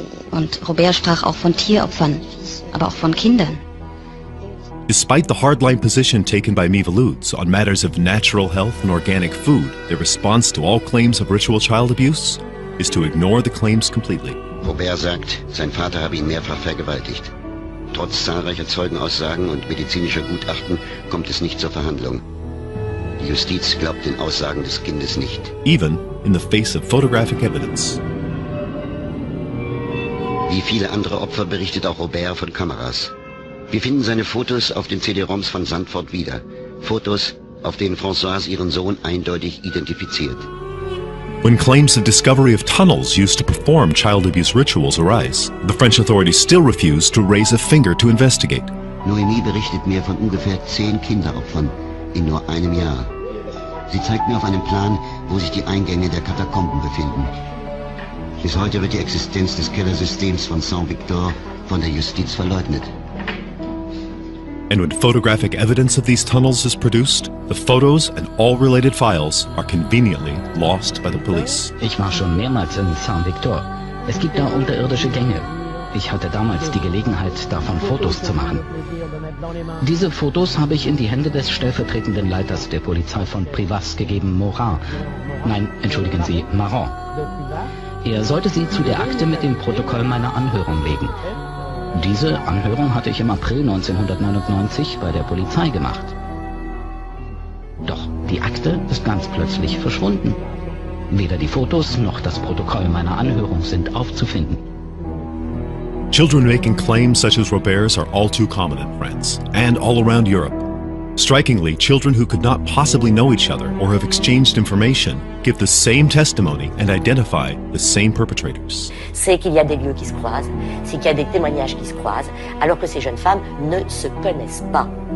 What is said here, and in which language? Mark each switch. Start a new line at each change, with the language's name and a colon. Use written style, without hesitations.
German: Und Robert sprach auch von Tieropfern, aber auch von Kindern.
English: Despite the hardline position taken by Miviludes on matters of natural health and organic food, their response to all claims of ritual child abuse is to ignore the claims completely.
German: Robert sagt, sein Vater habe ihn mehrfach vergewaltigt. Trotz zahlreicher Zeugenaussagen und medizinischer Gutachten kommt es nicht zur Verhandlung. Die Justiz glaubt den Aussagen des Kindes nicht.
English: Even in the face of photographic evidence.
German: Wie viele andere Opfer berichtet auch Robert von Kameras. Wir finden seine Fotos auf den CD-ROMs von Sandford wieder. Fotos, auf denen Françoise ihren Sohn eindeutig identifiziert.
English: When claims of discovery of tunnels used to perform child abuse rituals arise, the French authorities still refuse to raise a finger to investigate.
German: Noémie berichtet mir von ungefähr 10 Kinderopfern in nur einem Jahr. Sie zeigt mir auf einem Plan, wo sich die Eingänge der Katakomben befinden. Bis heute wird die Existenz des Kellersystems von Saint-Victor von der Justiz verleugnet.
English: And when photographic evidence of these tunnels is produced, the photos and all related files are conveniently lost by the police.
German: Ich war schon mehrmals in Saint-Victor. Es gibt da unterirdische Gänge. Ich hatte damals die Gelegenheit, davon Fotos zu machen. Diese Fotos habe ich in die Hände des stellvertretenden Leiters der Polizei von Privas gegeben, Morin. Nein, entschuldigen Sie, Maron. Er sollte sie zu der Akte mit dem Protokoll meiner Anhörung legen. Diese Anhörung hatte ich im April 1999 bei der Polizei gemacht. Doch die Akte ist ganz plötzlich verschwunden. Weder die Fotos noch das Protokoll meiner Anhörung sind aufzufinden.
English: Children making claims such as Robert's are all too common in France and all around Europe. Strikingly, children who could not possibly know each other or have exchanged information give the same testimony and identify the same perpetrators.
French: C'est qu'il y a des lieux qui se croisent, c'est qu'il y a des témoignages qui se croisent, alors que ces jeunes femmes ne se connaissent pas.